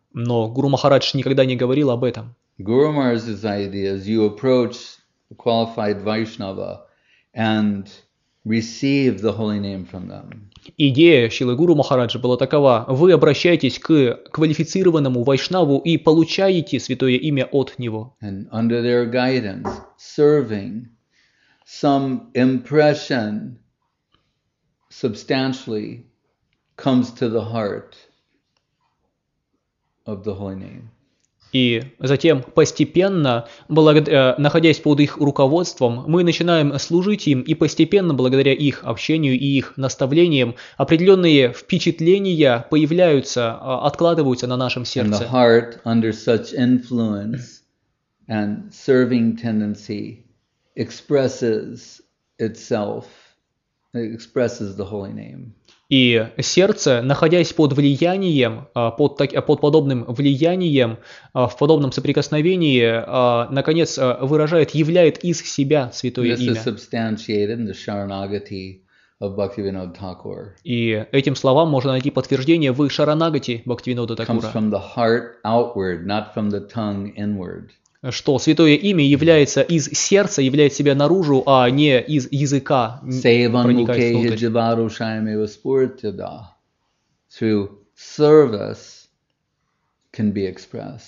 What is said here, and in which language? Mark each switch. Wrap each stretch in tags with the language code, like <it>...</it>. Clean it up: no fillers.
<ru>Но Гуру Махарадж никогда не говорил об этом.</ru> <en>Guru Maharaj's idea is you approach qualified Vaishnava and receive the holy name from them.</en> <ru>Идея Шрилы Гуру Махараджа была такова: вы обращаетесь к квалифицированному вайшнаву и получаете святое имя от него.</ru> <en>And under their guidance, serving some impression substantially comes to the heart of the holy name.</en> <ru>И затем постепенно, находясь под их руководством, мы начинаем служить им, и постепенно, благодаря их общению и их наставлениям, определенные впечатления появляются, откладываются на нашем сердце.</ru> <en>And the heart under such influence and serving tendency expresses itself, expresses the holy name.</en> <ru>И сердце, находясь под влиянием, под подобным влиянием, в подобном соприкосновении, наконец выражает, являет из себя святое имя.</ru> <en>This is substantiated in the Sharanagati of Bhaktivinoda Thakur.</en> <ru>И этим словам можно найти подтверждение в Шаранагати Бхактивинода Такура.</ru> <en>Comes from the heart outward, not from the tongue inward.</en> <ru>Что святое имя является из сердца, является себя наружу, а не из языка, проникает внутрь.</ru>